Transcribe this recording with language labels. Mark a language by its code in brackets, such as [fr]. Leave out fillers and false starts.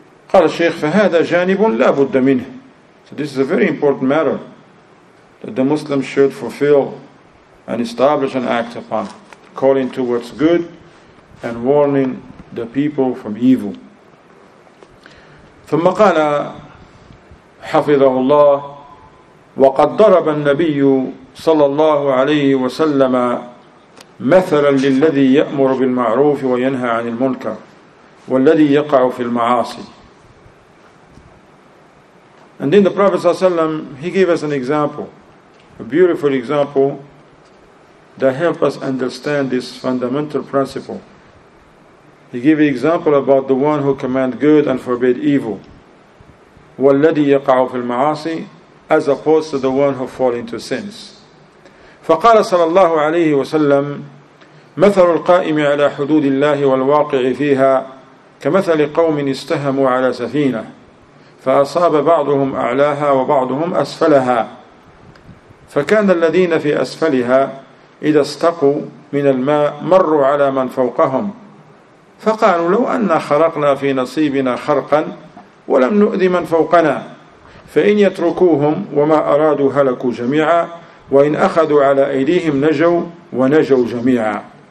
[ar] قَالَ الشَّيْخ فَهَذَا جَانِبٌ لَا بُدَّ مِنْهِ. [en] So this is a very important matter that the Muslim should fulfill and establish and act upon, calling towards good and warning the people from evil. [ar] ثم قال حفظه الله وقد ضرب النبي صلى الله عليه وسلم مثلا للذي يأمر بالمعروف وينهى عن المنكر والذي يقع في المعاصي. [en] And then the Prophet ﷺ, he gave us an example, a beautiful example that helped us understand this fundamental principle. He gave an example about the one who commands good and forbid evil, وَالَّذِي يَقَعُ فِي الْمَعَاصِي, as opposed to the one who falls into sins. [ar] فَقَالَ صَلَى اللَّهُ عَلَيْهِ وَسَلَّمْ مَثَلُ الْقَائِمِ عَلَى حُدُودِ اللَّهِ وَالْوَاقِعِ فِيهَا كَمَثَلِ قَوْمٍ اسْتَهَمُوا عَلَى سَفِينَةٍ فأصاب بعضهم أعلاها وبعضهم أسفلها فكان الذين في أسفلها إذا استقوا من الماء مروا على من فوقهم فقالوا لو أن خرقنا في نصيبنا خرقا ولم نؤذي من فوقنا فإن يتركوهم وما أرادوا هلكوا جميعا وإن أخذوا على أيديهم نجوا ونجوا جميعا.